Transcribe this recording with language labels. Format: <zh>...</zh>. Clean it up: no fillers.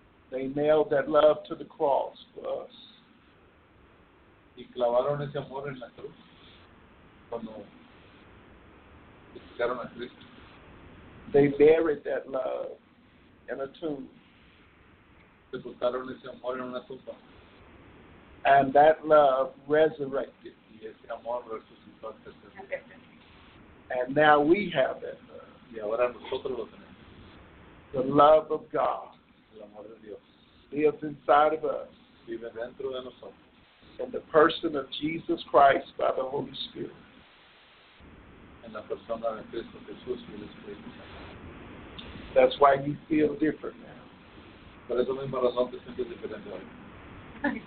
<en>They nailed that love to the cross for us.</en> <es>Y clavaron ese amor en la cruz cuando crucificaron a Cristo.</es> <en>They buried that love in a tomb.</en> <es>Sepultaron ese amor en una tumba.</es> <en>And that love resurrected.</en> <es>Y ese amor resucitó al tercer día.</es> <en>And now we have that love.</en> <es>Y ahora nosotros lo tenemos.</es> <en>The love of God.</en> <es>El amor de Dios.</es> <en>Lives inside of us.</en> <es>Vive dentro de nosotros.</es> <en>In the person of Jesus Christ by the Holy Spirit.</en> <es>En la persona de Cristo Jesús y el Espíritu Santo.</es> <en>That's why you feel different now.</en> <es>Por esa misma razón te sientes diferente hoy.</es>